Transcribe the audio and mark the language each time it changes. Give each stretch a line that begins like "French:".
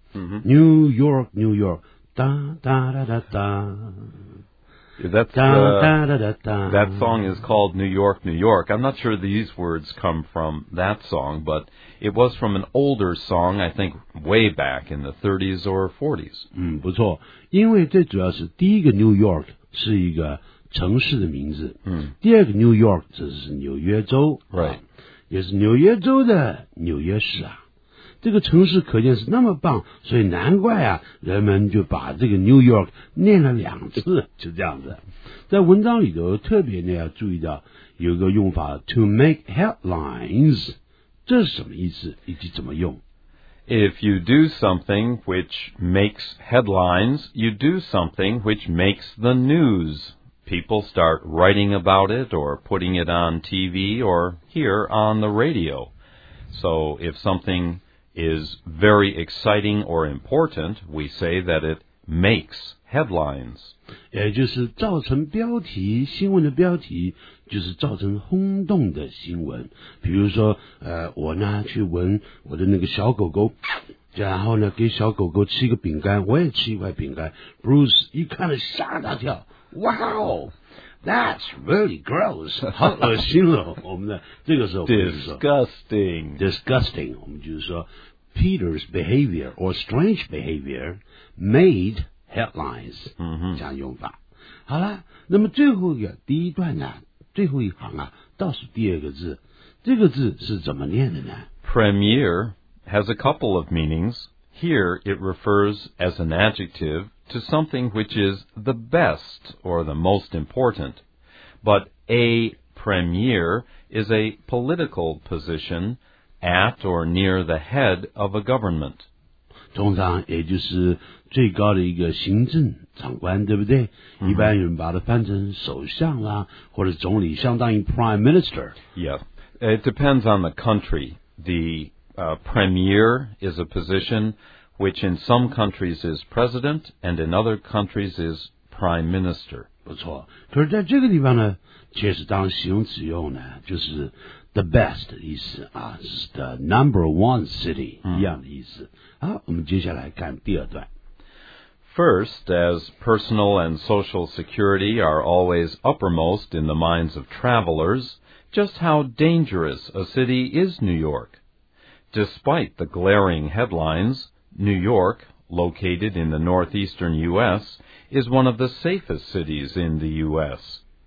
English: New York, New York. Da, da, da, da, da. That's, da, da, da, da, da. That song is called New York, New York. I'm not sure these words come from that song, but it was from an older song, I think, way back in the 30s or 40s.
Chinese: 不错，因为最主要是第一个 New York 是一个城市的名字，第二个 New York 这是纽约州，
English: right.
Chinese: 也是纽约州的纽约市啊。这个城市可见是那么棒，所以难怪啊，人们就把这个 New York 念了两次，就这样子。在文章里头特别呢要注意到有个用法
English: to make headlines，
Chinese: 这是什么意思以及怎么用？
English: If you do something which makes headlines, you do something which makes the news. People start writing about it or putting it on TV or here on the radio. So if somethingis very exciting or important, we say that it makes headlines.
Chinese: 也就是造成标题，新闻的标题就是造成轰动的新闻。比如说我呢去闻我的那个小狗狗，然后呢给小狗狗吃一个饼干，我也吃一块饼干。 Bruce 一看了吓大跳， Wow!
English: That's really gross.
Chinese: 好恶心了，我们的这个时候我们就说
English: Disgusting. Disgusting.
Chinese: 我们就是说
English: Peter's behavior or strange behavior made headlines.
Chinese: 这样用法。好了，那么最后一个第一段呢，最后一行啊，倒数第二个字，这个字是怎么念的呢？
English: Premier has a couple of meanings. Here it refers as an adjective. To something which is the best or the most important. But a premier is a political position at or near the head of a government.
Chinese: 通常也就是最高的一个行政长官，对不对？一般人把它翻成首相啦，或者总理，相当于
English: prime minister. Yeah, it depends on the country. The premier is a position... which in some countries is president, and in other countries is prime minister.
Chinese: 不错，可是在这个地方呢，确实当形容词用呢，就是
English: the best
Chinese: 意思啊，是
English: the number one city
Chinese: 一样的意思。好，我们接下来看第二段。
English: First, as personal and social security are always uppermost in the minds of travelers, just how dangerous a city is New York? Despite the glaring headlines,New York, located in the northeastern U.S., is one of the safest cities in the U.S.